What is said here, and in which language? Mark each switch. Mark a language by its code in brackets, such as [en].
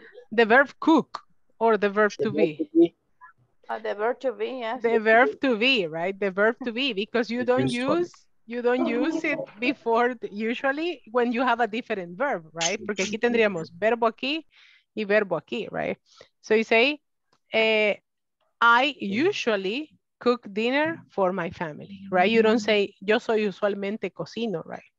[en] The verb cook or the verb to be. The verb to be, right? Because you don't use it before, usually when you have a different verb, right? [es] Porque aquí tendríamos verbo aquí y verbo aquí, right? [en] So you say, I usually cook dinner for my family, right? You don't say, [es] yo soy usualmente cocino, [en] right?